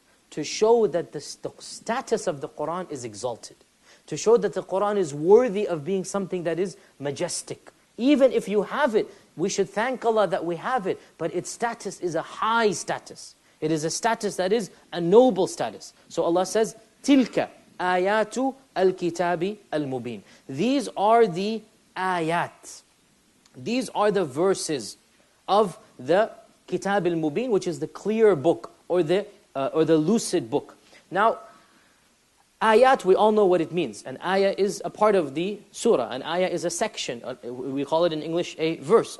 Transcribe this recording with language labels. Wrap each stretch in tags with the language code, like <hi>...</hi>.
<en>To show that the status of the Qur'an is exalted. To show that the Qur'an is worthy of being something that is majestic. Even if you have it, we should thank Allah that we have it. But its status is a high status. It is a status that is a noble status. So Allah says,</en> <ar>تِلْكَ آيَاتُ الْكِتَابِ الْمُبِينَ.</ar> <en>These are the ayat. These are the verses of the Kitab al-Mubin, which is the clear book or the lucid book. Now, ayat, we all know what it means. An ayah is a part of the surah. An ayah is a section. We call it in English a verse.</en>